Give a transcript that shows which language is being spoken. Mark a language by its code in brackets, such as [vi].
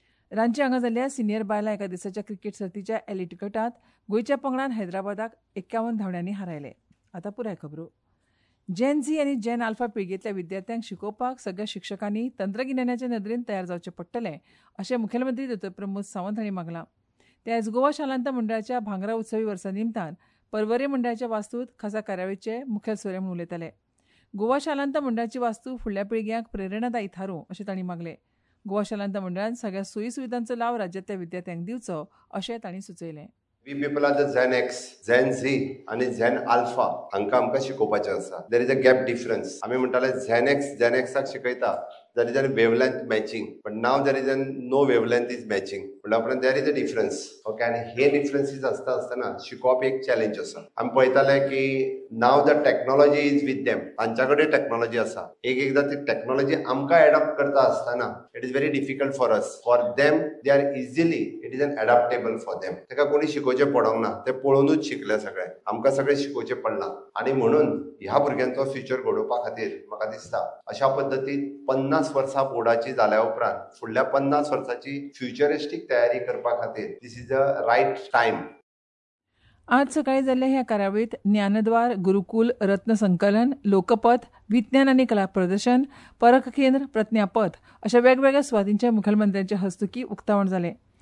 [gom] रांची हांगा जाल्ल्या सिनियर बायलां एका दिसाच्या क्रिकेट सर्तीच्या एलिट गटांत गोंयच्या पंगडान हैदराबादाक 51 धांवड्यांनी हारयले. आतां पुराय खबरो. जेन झी आनी जेन आल्फा पिळगेंतल्या विद्यार्थ्यांक शिकोवपाक सगळ्या शिक्षकांनी तंत्रगिन्यानाच्या नदरेन तयार जावचें पडटलें अशें मुखेलमंत्री दोतोर प्रमोद सावंत हांणी मागलां. ते आयज गोवा शालांत मंडळाच्या भांगरा उत्सवी वर्सा निमतान परवरे मंडळाच्या वास्तूंत खासा कार्यावळीचे मुखेल सोयरे म्हूण उलयताले. गोवा शालांत मंडळाची वास्तू फुडल्या पिळग्यांक प्रेरणादायी थारूं अशें तांणी मागलें. गोवा शालांत मंडळान सगळ्या सोयी सुविधांचो लाव राज्यातल्या विद्यार्थ्यांक दिवचो अशें तांणी सुचयलें. [en] we people are the [gom] Zen x, Zen Zee आनी झॅन आल्फा हांकां आमकां शिकोवपाचें आसा. [en] There is a gap difference. [gom] आमी म्हणटाले झॅन एक्स झॅन एक्साक शिकयता [en] There is a wavelength matching, but now there is a no wavelength is matching. [gom] म्हणल्या उपरांत [en] There is a difference. [gom] Okay, आनी हे डिफरन्सीस आसता आसतना शिकोवप एक चॅलेंज आसा. आमी पळयताले की [en] now the technology is with them, [gom] तांच्या कडेन टॅक्नॉलॉजी आसा. एक एकदां ती टॅक्नॉलॉजी आमकां एडॉप्ट करता आसतना [en] It is very difficult for us. For them they are easily, it is an adoptable for them. [gom] तेका कोणी शिकोवचें पडोंक ना, ते पळोवनूच शिकले सगळे. आमकां सगळें शिकोवचें पडलां आनी म्हणून ह्या भुरग्यांचो फ्युचर घडोवपा खातीर म्हाका दिसता अशा पद्दतीन 50 वर्सां बोर्डाची जाल्या उपरांत फुडल्या 50 वर्सांची फ्युचरिस्टीक तयारी करपा खातीर [en] This is a right time. [gom] आज सकाळी जाल्ल्या ह्या कार्यावळीत ज्ञानद्वार, गुरुकुल, रत्न संकलन, लोकपथ, विज्ञान आनी कला प्रदर्शन, परख केंद्र, प्रज्ञापथ अशा वेगवेगळ्या सुवातींचे मुखेलमंत्र्यांच्या हस्तुकीं उक्तावण जालें.